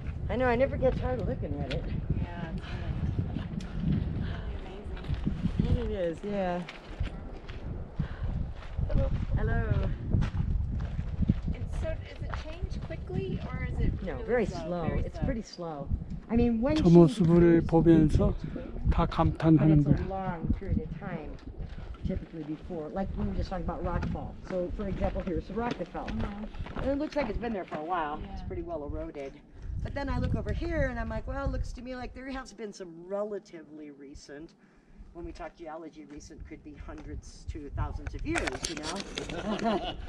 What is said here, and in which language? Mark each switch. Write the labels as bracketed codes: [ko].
[en] I know, I never get tired of looking at it. Yeah, it's really, really amazing. It is, yeah. Hello. And so, does it change quickly, or is it no? Really very slow. It's pretty slow. I mean, when she. [ko] 저 모습을 보면서 다 감탄하는 거야. [en] It's a long period of time, typically before, like we were just talking about rockfall. So, for example, here's a rock that fell, and it looks like it's been there for a while. Yeah. It's pretty well eroded. But then I look over here, and I'm like, well, it looks to me like there has been some relatively recent. When we talk geology, recent could be hundreds to thousands of years, you know?